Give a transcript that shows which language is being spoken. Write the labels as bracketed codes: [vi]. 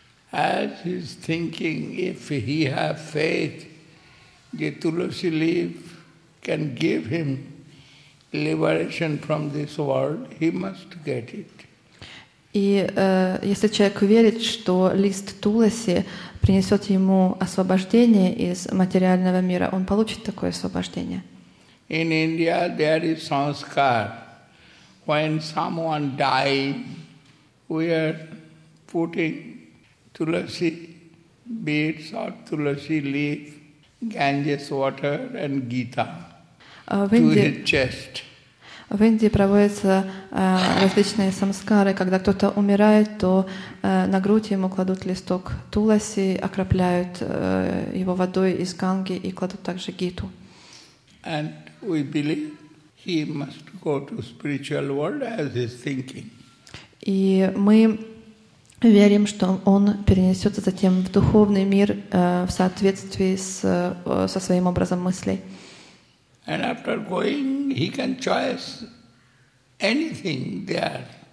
[en] As he is thinking, if he has faith, the tulsi leaf can give him liberation from this world, he must get it. [ru] И если человек верит, что лист туласи принесет ему освобождение из материального мира, он получит такое освобождение. [en] In India there is sanskar. When someone dies, we are putting tulasi beads or tulasi leaf, Ganges water and Gita to his chest. [ru] В Индии проводятся различные самскары. Когда кто-то умирает, то на грудь ему кладут листок туласи, окропляют его водой из Ганги и кладут также Гиту. [en] And we believe he must go to spiritual world as he's thinking. [ru] И мы верим, что он перенесется затем в духовный мир в соответствии со своим образом мыслей. [en] And after going, he can choose anything there.